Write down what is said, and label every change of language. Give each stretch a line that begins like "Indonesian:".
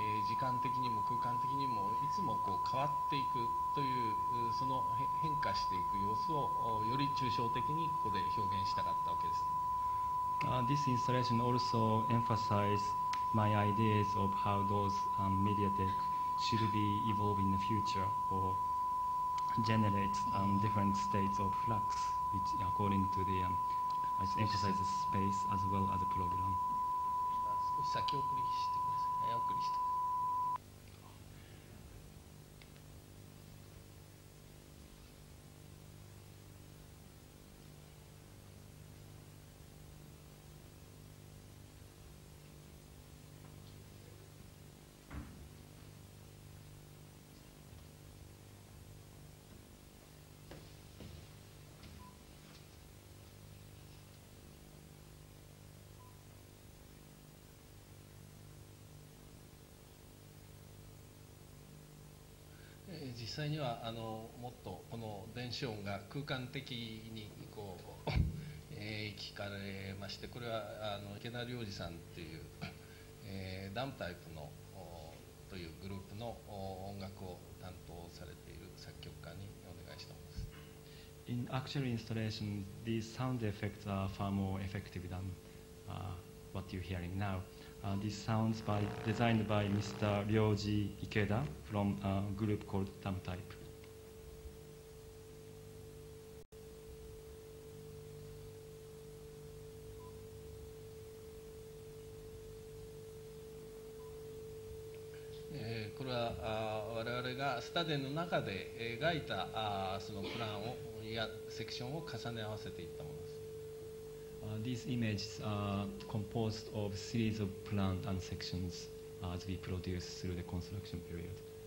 Japanese: 時間的にも空間的にもいつもこう変わっていくというその変化していく様子をより抽象的にここで表現したかったわけです。
English: This installation also emphasizes my ideas of how those media tech should be evolving in the future or generate different states of fluxWhich, according to the, I emphasize the space as well as the program.
Japanese: 少し先送りしてください。早送りして。実際にはもっとこの電子音が空間的にこう聞かれまして、これは池田良二さんっていう、ダムタイプのというグループの音楽を担当されている作曲家にお願いしたものです。
English: In actual installation, these sound effects are far more effective than、what you're hearing now. These sounds by, designed by Mr. Ryoji Ikeda from a group called Tam Type.
Japanese: これは我々がスタデンの中で描いたそのプランをやセクションを重ね合わせていったものです。
English: These images are composed of a series of plans and sections as we produce through the construction period.